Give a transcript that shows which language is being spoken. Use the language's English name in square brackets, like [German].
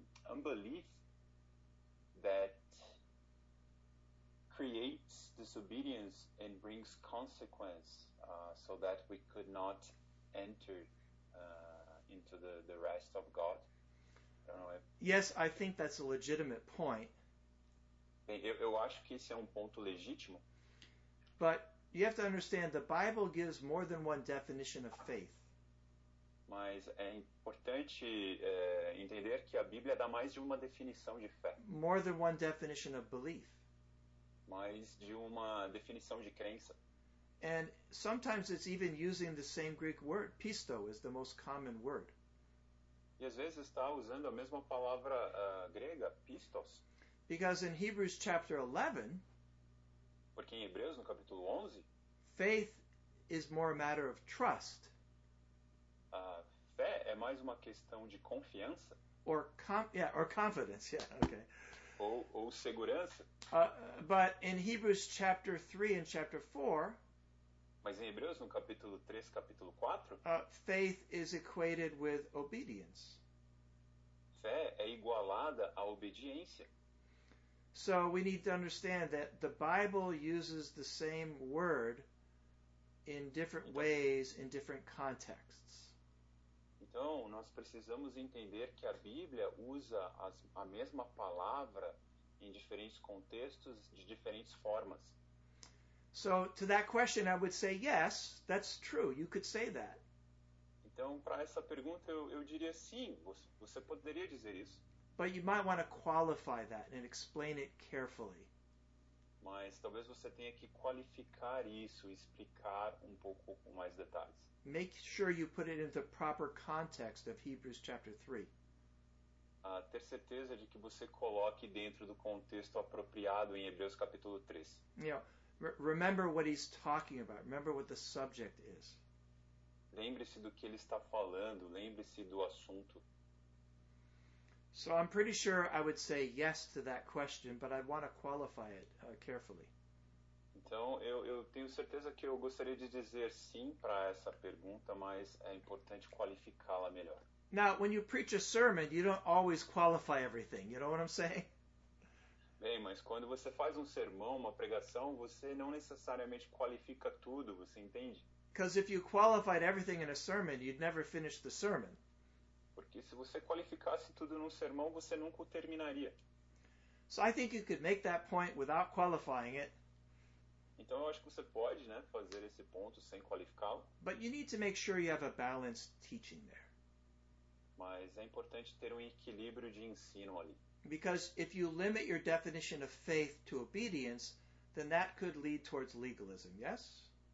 [English] unbelief that creates disobedience and brings consequence so that we could not enter into the rest of God? Yes, I think that's a legitimate point. [Portuguese] Eu acho que esse é ponto legítimo. [English] But you have to understand, the Bible gives more than one definition of faith. [Portuguese] Mas é importante entender que a Bíblia dá mais de uma definição de fé. [English] More than one definition of belief. [Portuguese] Mais de uma definição de crença. [English] And sometimes it's even using the same Greek word. Pisto is the most common word. [Portuguese] E às vezes está usando a mesma palavra grega, pistos. [English] Because in Hebrews chapter 11, [Portuguese] porque em Hebreus, no capítulo 11, [English] faith is more a matter of trust. [Portuguese] Fé é mais uma questão de confiança. [English] Or confidence, yeah, okay. [Portuguese] Ou segurança. [English] But in Hebrews chapter 3 and chapter 4, [Portuguese] mas em Hebreus, no capítulo 3, capítulo 4, [English] faith is equated with obedience. [Portuguese] Fé é igualada à obediência. [English] So we need to understand that the Bible uses the same word in different ways, in different contexts. [Portuguese] Então, nós precisamos entender que a Bíblia usa a mesma palavra em diferentes contextos, de diferentes formas. [English] So, to that question, I would say, yes, that's true. You could say that. [Portuguese] Então, para essa pergunta, eu diria sim, você poderia dizer isso. [English] But you might want to qualify that and explain it carefully. [Portuguese] Mas talvez você tenha que qualificar isso, explicar pouco com mais detalhes. [English] Make sure you put it in the proper context of Hebrews chapter 3. [Portuguese] Ter certeza de que você coloque dentro do contexto apropriado em Hebreus capítulo 3. [English] Yeah. Remember what he's talking about. Remember what the subject is. [Portuguese] Lembre-se do que ele está falando, lembre-se do assunto. [English] So I'm pretty sure I would say yes to that question, but I'd want to qualify it carefully. [Portuguese] Então, eu tenho certeza que eu gostaria de dizer sim para essa pergunta, mas é importante qualificá-la melhor. [English] Now, when you preach a sermon, you don't always qualify everything. You know what I'm saying? [Portuguese] Bem, mas quando você faz sermão, uma pregação, você não necessariamente qualifica tudo, você entende? [English] Because if you qualified everything in a sermon, you'd never finish the sermon. [Portuguese] Porque se você qualificasse tudo num sermão, você nunca o terminaria. [English] So I think you could make that point without qualifying it. [Portuguese] Então eu acho que você pode, né, fazer esse ponto sem qualificá-lo. [English] But you need to make sure you have a balanced teaching there. [Portuguese] Mas é importante ter equilíbrio de ensino ali. [English] Because if you limit your definition of faith to obedience, then that could lead towards legalism, yes?